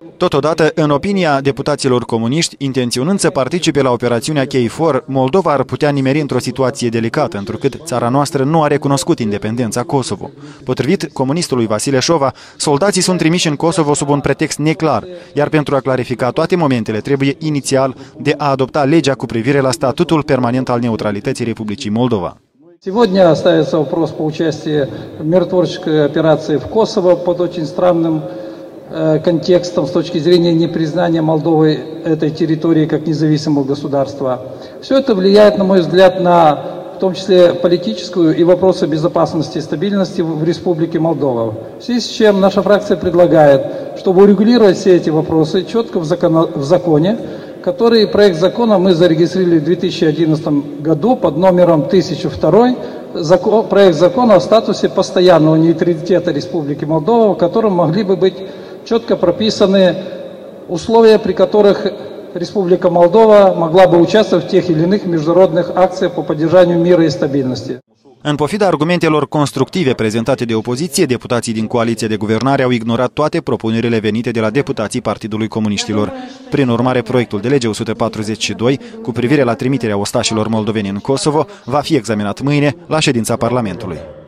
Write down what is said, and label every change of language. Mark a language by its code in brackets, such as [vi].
[ro] Totodată, în opinia deputaților comuniști, intenționând să participe la operațiunea KFOR, Moldova ar putea nimeri într-o situație delicată, întrucât țara noastră nu a recunoscut independența Kosovo. Potrivit comunistului Vasile Șova, soldații sunt trimiși în Kosovo sub un pretext neclar, iar pentru a clarifica toate momentele, trebuie inițial de a adopta legea cu privire la statutul permanent al neutralității Republicii Moldova. [ru] Сегодня ставится вопрос по участию в миротворческой операции в Косово под очень странным контекстом с точки зрения непризнания Молдовой этой территории как независимого государства. Все это влияет, на мой взгляд, на в том числе политическую и вопросы безопасности и стабильности в Республике Молдова. В связи с чем наша фракция предлагает, чтобы урегулировать все эти вопросы четко в законе, который проект закона мы зарегистрировали в 2011 году под номером 1002, проект закона о статусе постоянного нейтралитета Республики Молдова, в котором могли бы быть четко прописаны условия, при которых Республика Молдова могла бы участвовать в тех или иных международных акциях по поддержанию мира и стабильности. [ro] În pofida argumentelor constructive prezentate de opoziție, deputații din coaliția de guvernare au ignorat toate propunerile venite de la deputații Partidului Comuniștilor. Prin urmare, proiectul de lege 142 cu privire la trimiterea ostașilor moldoveni în Kosovo va fi examinat mâine la ședința Parlamentului.